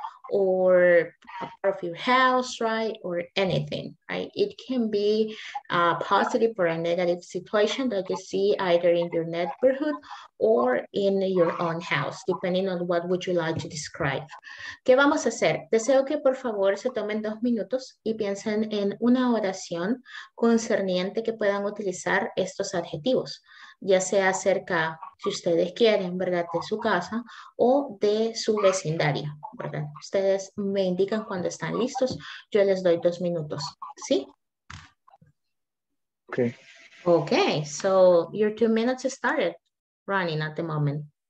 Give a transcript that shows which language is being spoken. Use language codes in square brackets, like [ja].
[en] Or a part of your house, right? Or anything, right? It can be a positive or a negative situation that you see either in your neighborhood or in your own house, depending on what would you like to describe. [es] ¿Qué vamos a hacer? Deseo que por favor se tomen 2 minutos y piensen en una oración concerniente que puedan utilizar estos adjetivos, ya sea cerca, si ustedes quieren, ¿verdad?, de su casa o de su vecindario, ¿verdad? Ustedes me indican cuando están listos, yo les doy 2 minutos, ¿sí? [en] Ok. Ok, so your 2 minutes started running at the moment.